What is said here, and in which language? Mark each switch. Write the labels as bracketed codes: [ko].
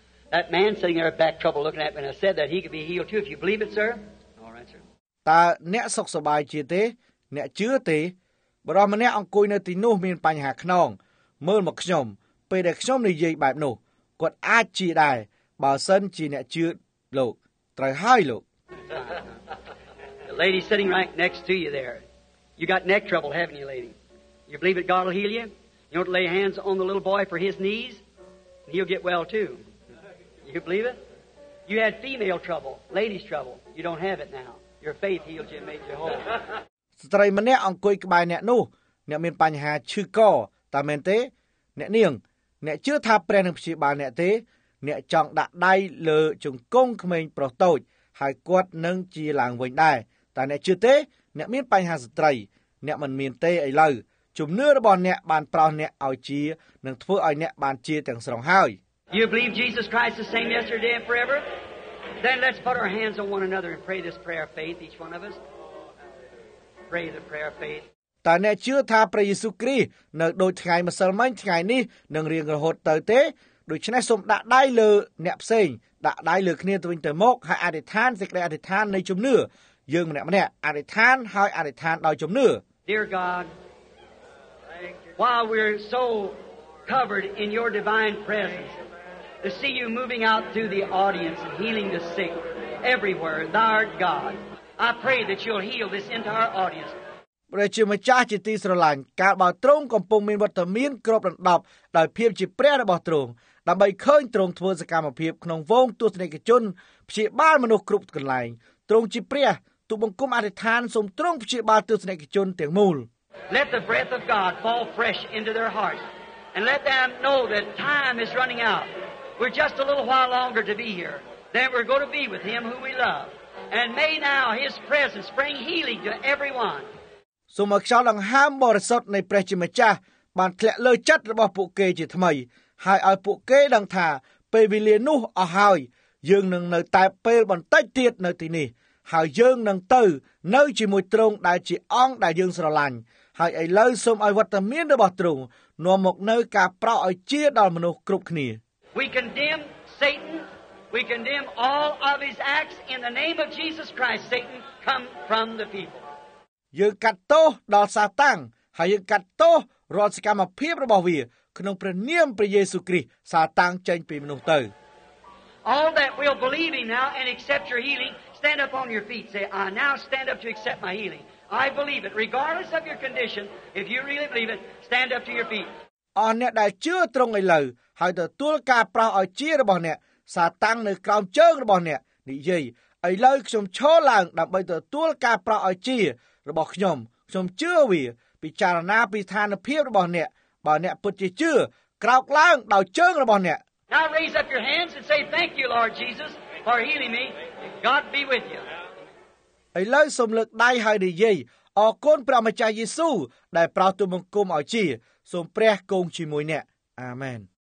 [en] That man sitting there back trouble looking at me and I said that he could be healed too if you believe it sir? All right sir. [km] តើអ្នកសុខសប្បាយជាទេអ្នកជឿទេបរិសុទ្ធម្នាក់អង្គុយនៅទីនោះមានបញ្ហាខ្នងមើលមកខ្ញុំពេលដែលខ្ញុំនិយាយបែបនោះគាត់អាចជាដែរបើសិនជាអ្នកជឿលោកត្រូវហើយលោក [en] The lady sitting right next to you there. You got neck trouble, haven't you, lady? You believe that God will heal you? You want to lay hands on the little boy for his knees? And he'll get well too. You believe it? You had female trouble, ladies trouble. You don't have it now. Your faith healed you and made you whole. [km] ស្ត្រីម្នាក់អង្គុយក្បែរអ្នកនោះអ្នកមានបញ្ហាឈឺកតាមែនទេអ្នកនាងអ្នកជឿថាព្រះនឹងព្យាបាលអ្នកទេអ្នកចង់ដាក់ដៃលើជង្គង់ក្មេងប្រុសតូចហើយគាត់នឹងជាឡើងវិញដែរតើអ្នកជឿទេអ្នកមានបញ្ហាស្ត្រីអ្នកមិនមានទេឥឡូវជំនឿរបស់អ្នកបានប្រោសអ្នកឲ្យជានិងធ្វើឲ្យអ្នកបានជាទាំងស្រុងហើយ [en] You believe Jesus Christ is the same yesterday and forever? Then let's put our hands on one another and pray this prayer of faith each one of us. Pray the prayer of faith. [km] តើអ្នកជឿថាព្រះយេស៊ូវគ្រីស្ទនៅដូចថ្ងៃម្សិលមិញថ្ងៃនេះនឹងរៀងរហូតទៅទេដូច្នេះសូមដាក់ដៃលើអ្នកផ្សេងដាក់ដៃលើគ្នាទៅវិញទៅមកហើយអធិដ្ឋានសេចក្តីអធិដ្ឋាននៃជំនឿយើងម្នាក់ៗអធិដ្ឋានហើយអធិដ្ឋានដោយជំនឿ [en] Dear God, while we're so covered in your divine presence, to see you moving out through the audience and healing the sick everywhere, thou art God. I pray that you'll heal this entire audience. [km] ព្រះជាម្ចាស់ជាទីស្រឡាញ់កាលបើទ្រង់កំពុងមានវត្តមានគ្របដណ្ដប់ដោយភាពជាព្រះរបស់ទ្រង់ដើម្បីឃើញទ្រង់ធ្វើសកម្មភាពក្នុងវងទស្សនិកជនព្យាបាលមនុស្សគ្រប់កន្លែងទ្រង់ជាព្រះទូបង្គំអធិដ្ឋានសូមទ្រង់ព្យាបាលទស្សនិកជនទាំងមូល [en] Let the breath of God fall fresh into their hearts and let them know that time is running out. We're just a little while longer to be here. Then we're going to be with him who we love. And may now his presence bring healing to everyone [km] សូមខ្យល់ដង្ហើមបរិសុទ្ធនៃព្រះជាម្ចាស់បានធ្លាក់លើចិត្តរបស់ពួកគេជាថ្មីហើយឲ្យពួកគេដឹងថាពេលវេលានោះអស់ហើយយើងនឹងនៅតែពេលបន្តិចទៀតនៅទីនេះហើយយើងនឹងទៅនៅជាមួយទ្រង់ដែលជាអង្គដែលយើងស្រឡាញ់ហើយឥឡូវសូមឲ្យវត្តមានរបស់ទ្រង់នាំមកនូវការប្រោសឲ្យជាដល់មនុស្សគ្រប់គ្នា [en] We condemn Satan. We condemn all of his acts in the name of Jesus Christ. Satan, come from the people. [km] យើងកាត់ទោសដល់សាតាំងហើយយើងកាត់ទោសរាល់សកម្មភាពរបស់វាក្នុងព្រះនាមព្រះយេស៊ូវគ្រីស្ទសាតាំងចេញពីមនុស្សទៅ [en] All that will believe in now and accept your healing stand up on your feet say I now stand up to accept my healing I believe it regardless of your condition if you really believe it stand up to your feet [km] អរអ្នកដែលជឿត្រង់ឥឡូវហើយទទួលការប្រោសឲ្យជារបស់អ្នកសាតាំងនៅក្រោមជើងរបស់អ្នកនិយាយឥឡូវខ្ញុំឈរឡើងដើម្បីទទួលការប្រោសឲ្យជារបស់ខ្ញុំជឿវាពិចារណាពីស្ថានភាពរបស់អ្នកបើអ្នកពិតជាជឿក្រោកឡើងដោយជើងរបស់អ្នក [en] Now raise up your hands and say thank you Lord Jesus for healing me God be with you [km] ឥឡូវសូមលើកដៃហើយនិយាយអរគុណព្រះម្ចាស់យេស៊ូវដែលប្រោសទូលបង្គំឲ្យជាសូមព្រះគង់ជាមួយអ្នកអាមែន